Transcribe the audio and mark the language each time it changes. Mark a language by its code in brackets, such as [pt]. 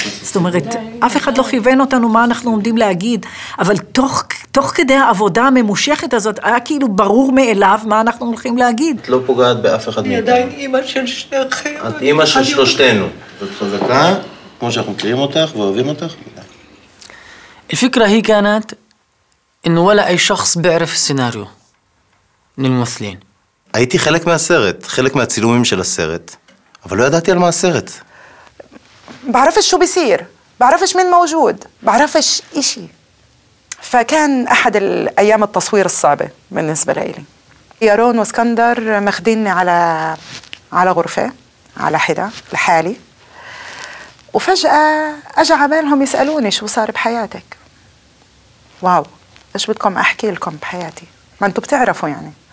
[he] זאת אומרת, אף אחד לא כיוון אותנו מה אנחנו עומדים להגיד, אבל תוך כדי העבודה הממושכת הזאת, היה כאילו ברור מאליו מה אנחנו הולכים להגיד. את לא פוגעת באף אחד מאיתנו. אני עדיין אימא של שניכם. את אימא של שלושתנו. זאת חזקה, כמו שאנחנו מכירים אותך ואוהבים אותך. [ar] الفكره هي كانت انه ولا اي شخص بيعرف السيناريو للممثلين. [he] הייתי חלק מהסרט, חלק מהצילומים של הסרט, אבל לא ידעתי על מה הסרט. [ar] بعرفش شو بيصير بعرفش مين موجود بعرفش إشي فكان أحد الأيام التصوير الصعبة بالنسبة لإلي يارون واسكندر مخديني على غرفة على حدا لحالي وفجأة أجا عبالهم يسألوني شو صار بحياتك واو إيش بدكم أحكي لكم بحياتي ما أنتوا بتعرفوا يعني